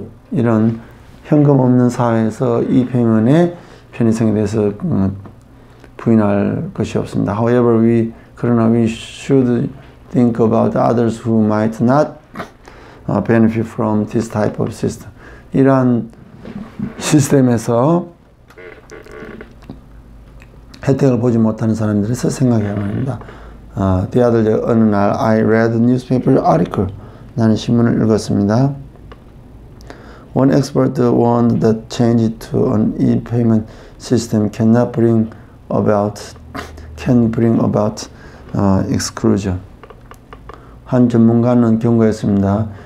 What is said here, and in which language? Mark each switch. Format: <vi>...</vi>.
<ko>이런 현금 없는 사회에서 e-payment의 편의성에 대해서 부인할 것이 없습니다.</ko> <en>However, we should think about others who might not benefit from this type of system.</en> <ko>이러한 시스템에서 혜택을 보지 못하는 사람들에서 생각해야 합니다.</ko> <en>The other day,</en> <ko>어느 날,</ko> <en>I read a newspaper article.</en> <ko>나는 신문을 읽었습니다.</ko> <en>One expert warned that change to an e-payment system can bring about exclusion.</en> <ko>한 전문가는 경고했습니다.</ko>